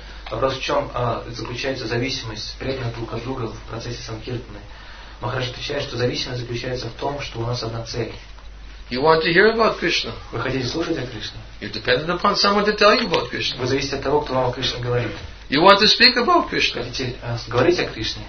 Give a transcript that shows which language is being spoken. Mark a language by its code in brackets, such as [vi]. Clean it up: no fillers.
[ru] Вопрос в чем заключается зависимость преданных друг от друга в процессе санкиртаны? Махарадж отвечает, что зависимость заключается в том, что у нас одна цель. [en] You want to hear about Krishna. [ru] Вы хотите слушать о Кришне? [en] You're dependent upon someone to tell you about Krishna. [ru] Вы зависите от того, кто вам о Кришне говорит. [en] You want to speak about Krishna. [ru] Хотите говорить о Кришне?